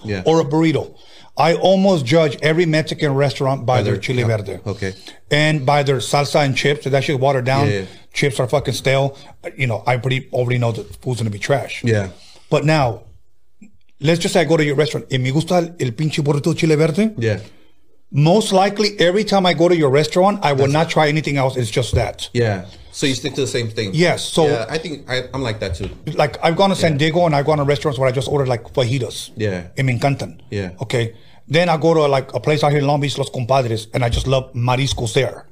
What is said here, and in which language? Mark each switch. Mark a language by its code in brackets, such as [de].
[en] yeah, or a burrito. I almost judge every Mexican restaurant by their chili yeah. verde. Okay. And by their salsa and chips. That shit watered down. Yeah, yeah. Chips are fucking stale. You know, I pretty already know the food's gonna be trash. Yeah. But now, let's just say I go to your restaurant. [es] ¿Y me gusta el pinche burrito chile verde? [en] Yeah. Most likely, every time I go to your restaurant, I will not try anything else. It's just that. Yeah. So you stick to the same thing? Yes. So yeah, I think I'm like that too. Like, I've gone to San Diego, and I've gone to restaurants where I just ordered like fajitas. Yeah. [es] Y me encantan. [en] Yeah. Okay. Then I go to like a place out here in Long Beach, Los Compadres, and I just love mariscos there.